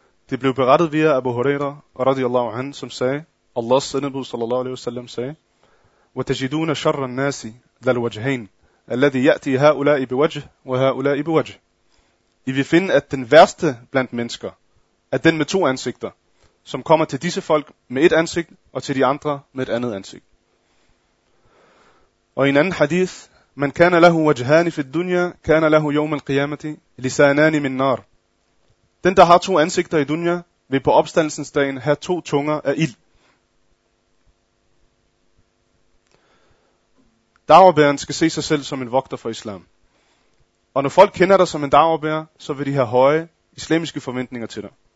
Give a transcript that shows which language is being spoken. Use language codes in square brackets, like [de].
[da] Det blev berettet via Abu Huraira radiallahu anhu, som sagde: "Allahs sendebud sallallahu alaihi wasallam sagde: [ar] وَتَجِدُونَ شَرَّ النَّاسِ لَلْوَجْهَيْنِ الَّذِي يَأْتِي هَؤُلَاءِ بِوَجْهِ [da] وَهَؤُلَاءِ بِوَجْهِ." I vil finde, at den værste blandt mennesker er den med to ansigter, som kommer til disse folk med et ansigt og til de andre med et andet ansigt. [ar] وإن أن حديث من كان له وجهان في الدنيا كان له يوم القيامة لسانان من نار. [da] Den der har to ansigter i dunya vil på opstandelsens dagen have to tunger af ild. Da'wabæren skal se sig selv som en vogter for islam. Og når folk kender dig som en da'wabær, så vil de have høje islamiske forventninger til dig.